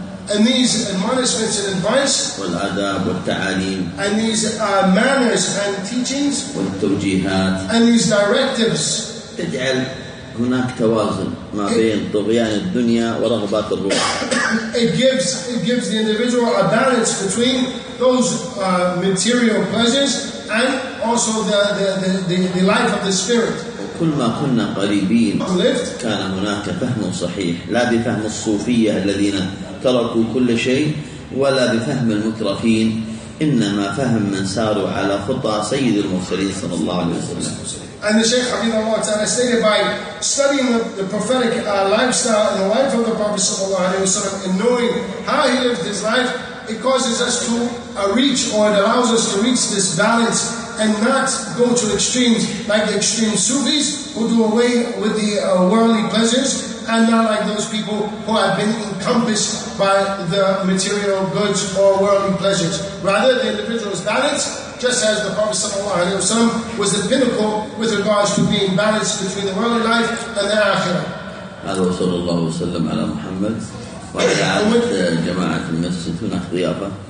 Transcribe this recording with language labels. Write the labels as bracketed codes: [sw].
[en] And these admonishments and advice, and these manners and teachings, and these directives, [ar] هناك توازن ما بين طغيان الدنيا ورغبات الروح. [en] It gives the individual a balance between those material pleasures and also the life of the spirit. [ar] كل ما كنا قريبين كان هناك فهم صحيح لا بفهم الصوفية الذين تركوا كل شيء ولا بفهم المترفين إنما فهم من ساروا على خطى سيد المرسلين صلى الله عليه وسلم. [en] And the Shaykh Hafidhahullah Ta'ala stated by studying the prophetic lifestyle and the life of the Prophet sallallahu alayhi wa sallam and knowing how he lived his life, it causes us to reach or it allows us to reach this balance and not go to extremes like the extreme Sufis who do away with the worldly pleasures and not like those people who have been encompassed by the material goods or worldly pleasures. Rather, the individual is balanced, just as the Prophet sallallahu alayhi wa sallam was the pinnacle with regards to being balanced between the worldly life and the akhirah. [ar] هذا وصلى الله وسلم على محمد وعلى آله جماعة المسجد هنا خضيافة.